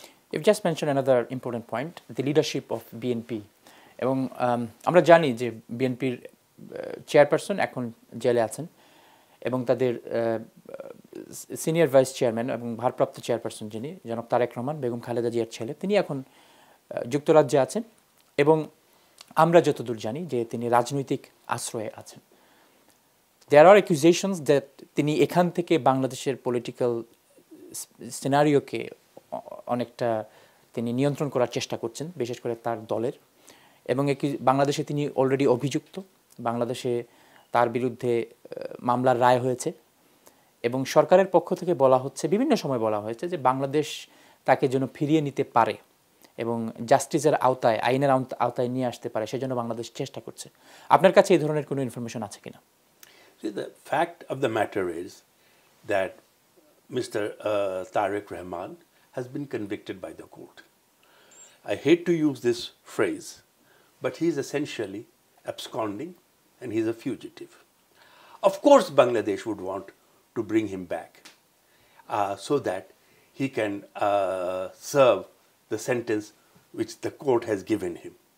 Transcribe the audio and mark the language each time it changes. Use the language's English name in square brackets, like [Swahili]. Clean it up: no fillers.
[English] You've just mentioned another important point, the leadership of BNP. [Bangla] এবং আমরা জানি যে বিএনপির চেয়ারপারসন এখন জেলে আছেন এবং তাদের সিনিয়র ভাইস চেয়ারম্যান এবং ভারপ্রাপ্ত চেয়ারপারসন যিনি জনাব তারেক রহমান বেগম খালেদা জিয়ার ছেলে, তিনি এখন যুক্তরাজ্যে আছেন এবং আমরা যতদূর জানি যে তিনি রাজনৈতিক আশ্রয়ে আছেন। [English] there are accusations that [Bangla] তিনি এখান থেকে বাংলাদেশের পলিটিক্যাল সিনারিওকে অনেকটা তিনি নিয়ন্ত্রণ করার চেষ্টা করছেন, বিশেষ করে তার দলের। এবং একটি বাংলাদেশে তিনি অলরেডি অভিযুক্ত, বাংলাদেশে তার বিরুদ্ধে মামলার রায় হয়েছে এবং সরকারের পক্ষ থেকে বলা হচ্ছে, বিভিন্ন সময় বলা হয়েছে যে বাংলাদেশ তাকে যেন ফিরিয়ে নিতে পারে এবং জাস্টিসের আওতায়, আইনের আওতায় নিয়ে আসতে পারে, সেজন্য বাংলাদেশ চেষ্টা করছে। আপনার কাছে এই ধরনের কোনো ইনফরমেশন আছে কিনা? [English] The fact of the matter is that mister Tarique Rahman has been convicted by the court. I hate to use this phrase, but he is essentially absconding and he is a fugitive. Of course, Bangladesh would want to bring him back so that he can serve the sentence which the court has given him.